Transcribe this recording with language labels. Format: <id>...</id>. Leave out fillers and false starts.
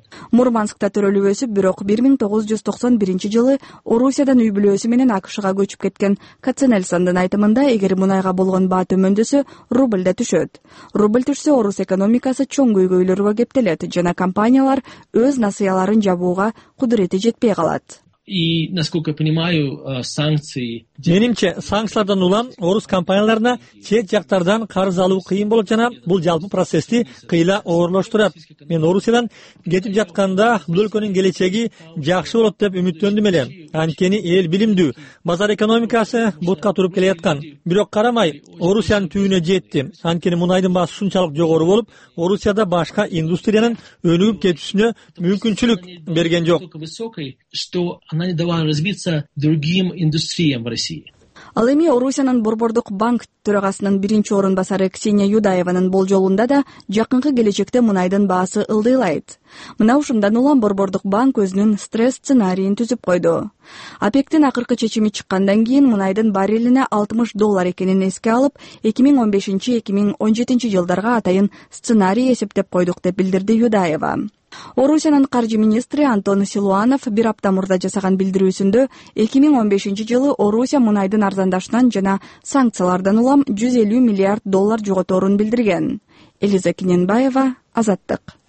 <ky>Мурманскта төрөлүп өсүп, бирок 1991-жылы Орусиядан үй бүлөсү менен АКШга көчүп кеткен. Каценельсандын айтымында, эгер мунайга болгон баа төмөндөсө, рубль да түшөт. Рубль түшсө, орус экономикасы чоң көйгөйлөргө кептелет жана компаниялар өз насыяларын жабууга кудурети жетпей калат.</ky> <ru>И насколько понимаю, санкции.</ru> <ky>Менимче, санкциялардан улам орус компанияларына чет жактардан карыз алуу кыйын болот жана бул жалпы процессти кыйла оорлоштурат. Мен Орусиядан кетип жатканда бул өлкөнүн келечеги жакшы болот деп үмүттөндүм эле. Анткени эл билимдүү, базар экономикасы бутка туруп келе жаткан. Бирок карамай, Орусиянын түбүнө жетти. Анткени мунайдын баасы ушунчалык жогору болуп, Орусияда башка индустриянын өнүгүп кетүүсүнө мүмкүнчүлүк берген жок.</ky> <ru>Она не давала развиться другим индустриям в России.</ru> <ky>Ал эми Орусиянын борбордук банк төрагасынын биринчи орун басары Ксения Юдаеванын болжолунда да жакынкы келечекте мунайдын баасы ылдыйлайт. Мына ушундан улам борбордук банк өзүнүн стресс сценарийин түзүп койду. АПЕКтин акыркы чечими чыккандан кийин мунайдын барреллине $60 экенин эске алып, 2015-2017 жылдарга атайын сценарий эсептеп койдук деп билдирди Юдаева. Орусиянын каржы министри Антон Силуанов бир апта мурда жасаган билдирүүсүндө 2015-жылы Орусия мунайдын арзандашынан жана санкциялардан улам $150 миллиард жоготорун билдирген. Элиза Кененбаева, Азаттык.</ky>